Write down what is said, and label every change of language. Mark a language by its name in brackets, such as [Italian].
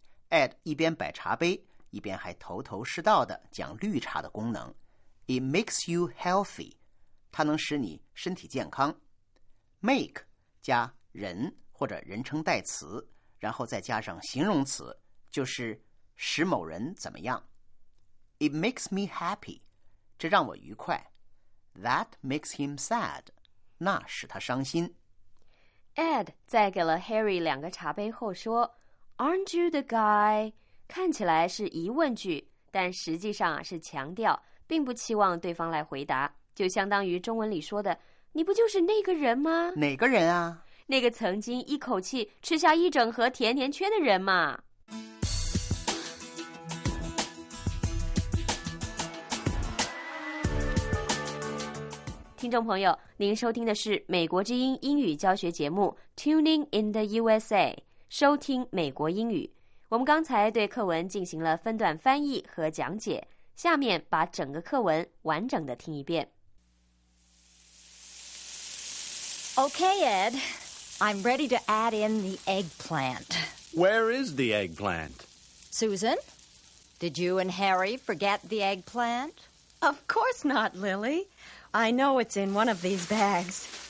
[Chinese] Ed 一边摆茶杯，一边还头头是道的讲绿茶的功能。 [English] It makes you healthy， [Chinese] 它能使你身体健康。 Make 加人或者人称代词，然后再加上形容词，就是使某人怎么样。 [English] It makes me happy， [Chinese] 这让我愉快。 [English] That makes him sad， [Chinese] 那使他伤心。 Ed 在给了 Harry 两个茶杯后说。 [English] Aren't you the guy? [Chinese] 看起来是疑问句，但实际上是强调，并不期望对方来回答，就相当于中文里说的，你不就是那个人吗？哪个人啊？那个曾经一口气吃下一整盒甜甜圈的人嘛。听众朋友，您收听的是美国之音英语教学节目 Tuning in the USA。收听美国英语，我们刚才对课文进行了分段翻译和讲解，下面把整个课文完整的听一遍。 [English] Okay, Ed, I'm ready to add in the eggplant. Where is the eggplant? Susan? Did you and Harry forget the eggplant? Of course not, Lily. I know it's in one of these bags.